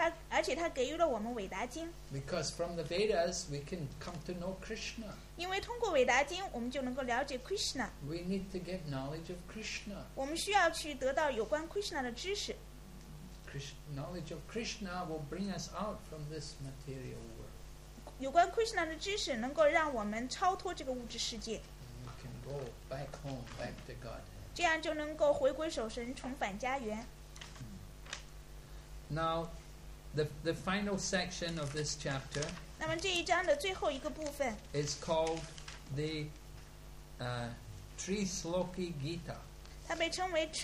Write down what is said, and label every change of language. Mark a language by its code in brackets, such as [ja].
[zh] 而且他给予了我们韦达经。 [en] Because from the Vedas we can come to know Krishna. [zh] 因为通过韦达经，我们就能够了解Krishna. [en] We need to get knowledge of Krishna. [zh] 我们需要去得到有关Krishna的知识. [en] Knowledge of Krishna will bring us out from this material world. [zh] 有关Krishna的知识能够让我们超脱这个物质世界. [en] We can go back home, back to God. [zh] 这样就能够回归守神，重返家园。 [en] Now, the final section of this chapter is called the Trisloki Gita.